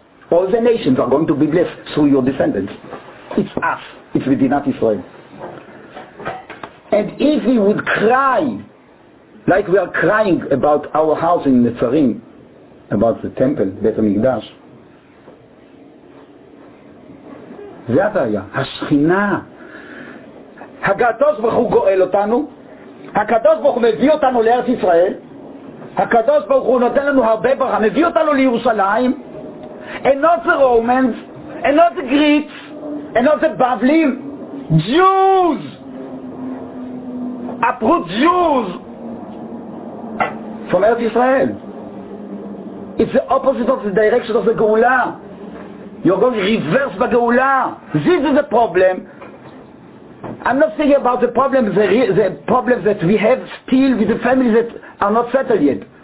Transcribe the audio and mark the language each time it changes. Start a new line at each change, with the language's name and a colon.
English: All the nations are going to be blessed through your descendants. It's us, it's Medinat Israel. And if we would cry, like we are crying about our house in Netzarim, about the temple, Beit HaMikdash,
Hebrew: זה הבעיה, השכינה. הקדוש ברוך הוא גואל אותנו, הקדוש ברוך הוא מביא אותנו לארץ ישראל, הקדוש ברוך הוא נותן לנו הרבה ברכה, מביא אותנו לירושלים,
English: and not the Romans, and not the Greeks, and not the Bavlim, Jews! Uproot Jews! From ארץ ישראל. It's the opposite of the direction of the Geula. You're going reverse בגאולה. This is the problem. I'm not thinking about the problem, the problem that we have still with the families that are not settled yet.